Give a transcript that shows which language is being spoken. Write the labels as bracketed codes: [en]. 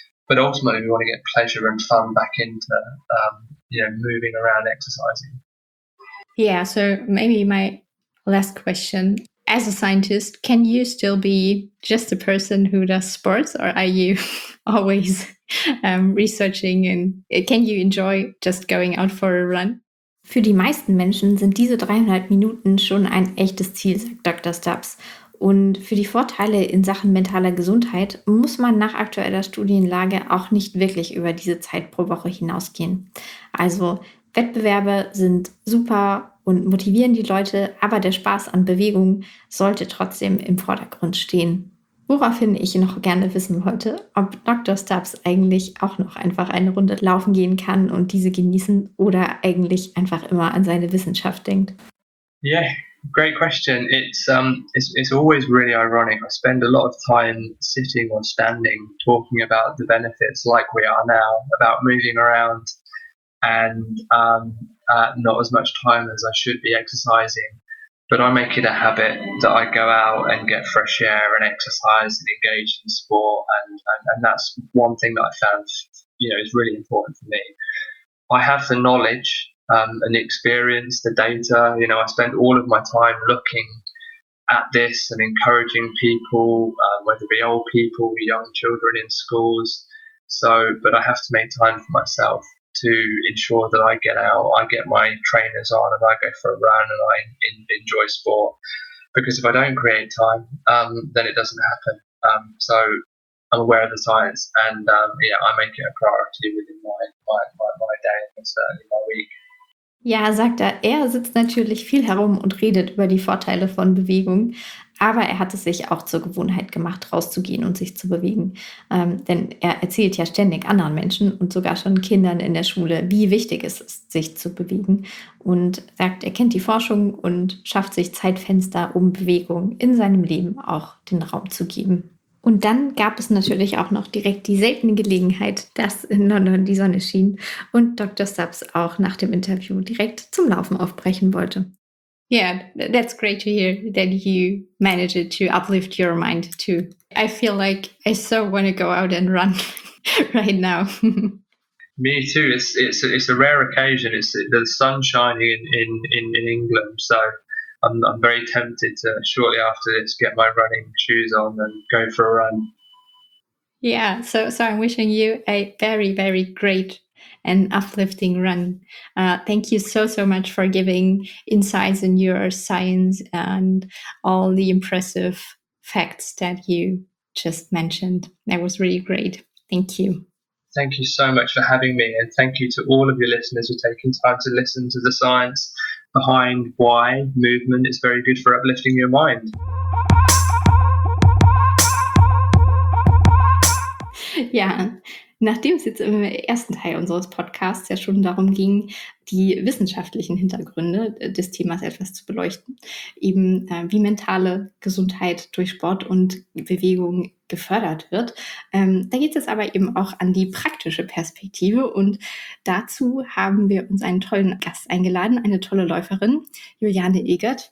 [en] But ultimately, we want to get pleasure and fun back into, you know, moving around, exercising. Yeah, so maybe my last question. As a scientist, can you still be just a person who does sports, or are you always researching, and can you enjoy just going out for a run? [de] Für die meisten Menschen sind diese 300 Minuten schon ein echtes Ziel, sagt Dr. Stubbs. Und für die Vorteile in Sachen mentaler Gesundheit muss man nach aktueller Studienlage auch nicht wirklich über diese Zeit pro Woche hinausgehen. Also Wettbewerbe sind super und motivieren die Leute, aber der Spaß an Bewegung sollte trotzdem im Vordergrund stehen. Woraufhin ich noch gerne wissen wollte, ob Dr. Stubbs eigentlich auch noch einfach eine Runde laufen gehen kann und diese genießen oder eigentlich einfach immer an seine Wissenschaft denkt. [en] Yeah, great question. It's always really ironic. I spend a lot of time sitting or standing talking about the benefits like we are now, about moving around and not as much time as I should be exercising. But I make it a habit that I go out and get fresh air and exercise and engage in sport. And that's one thing that I found, you know, is really important for me. I have the knowledge and the experience, the data. You know, I spend all of my time looking at this and encouraging people, whether it be old people, young children in schools. So, but I have to make time for myself to ensure that I get out, I get my trainers on, and I go for a run, and I enjoy sport. Because if I don't create time, then it doesn't happen. So I'm aware of the science, and yeah, I make it a priority within my day and certainly my week. [de] Ja, sagt er, er sitzt natürlich viel herum und redet über die Vorteile von Bewegung, aber er hat es sich auch zur Gewohnheit gemacht, rauszugehen und sich zu bewegen. Denn er erzählt ja ständig anderen Menschen und sogar schon Kindern in der Schule, wie wichtig es ist, sich zu bewegen. Und sagt, er kennt die Forschung und schafft sich Zeitfenster, um Bewegung in seinem Leben auch den Raum zu geben. Und dann gab es natürlich auch noch direkt die seltene Gelegenheit, dass in London die Sonne schien und Dr. Stubbs auch nach dem Interview direkt zum Laufen aufbrechen wollte. [en] Yeah, that's great to hear that you managed to uplift your mind too. I feel like I so want to go out and run right now. Me too. It's a rare occasion. It's the sun shining in England, so I'm very tempted to shortly after this get my running shoes on and go for a run. Yeah, so I'm wishing you a very, very great and uplifting run. Thank you so much for giving insights in your science and all the impressive facts that you just mentioned. That was really great. Thank you. Thank you so much for having me, and thank you to all of your listeners for taking time to listen to the science behind why movement is very good for uplifting your mind. [de] Ja, nachdem es jetzt im ersten Teil unseres Podcasts ja schon darum ging, die wissenschaftlichen Hintergründe des Themas etwas zu beleuchten, eben wie mentale Gesundheit durch Sport und Bewegung gefördert wird, da geht es aber eben auch an die praktische Perspektive, und dazu haben wir uns einen tollen Gast eingeladen, eine tolle Läuferin, Juliane Egert.